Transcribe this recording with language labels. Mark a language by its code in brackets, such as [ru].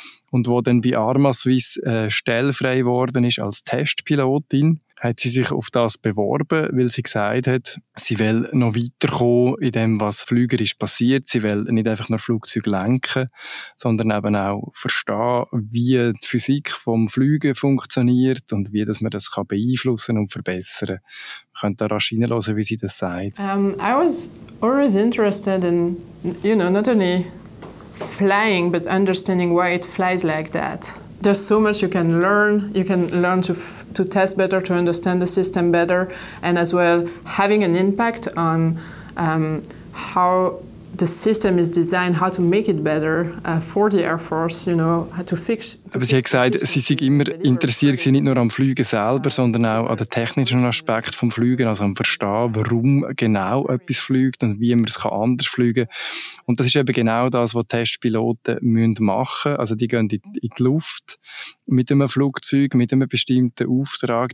[de] Und wo dann bei Armaswiss stellfrei geworden ist als Testpilotin, hat sie sich auf das beworben, weil sie gesagt hat, sie will noch weiterkommen in dem, was fliegerisch passiert. Sie will nicht einfach nur Flugzeuge lenken, sondern eben auch verstehen, wie die Physik vom Fliegen funktioniert und wie dass man das kann beeinflussen und verbessern kann. Man könnte da rasch reinhören, wie sie das sagt. [en] I was always interested in, you know, not only flying, but understanding why it flies like that. There's so much you can learn. You can learn to test better, to understand the system better, and as well having an impact on how the system is designed, how to make it better for the Air Force, you know, how to fix. [de] Aber sie hat gesagt, sie sei immer interessiert gewesen, nicht nur am Fliegen selber, sondern auch an den technischen Aspekt vom Fliegen, also am Verstehen, warum genau etwas fliegt und wie man es anders fliegen kann. Und das ist eben genau das, was Testpiloten machen müssen. Also die gehen in die Luft mit einem Flugzeug, mit einem bestimmten Auftrag.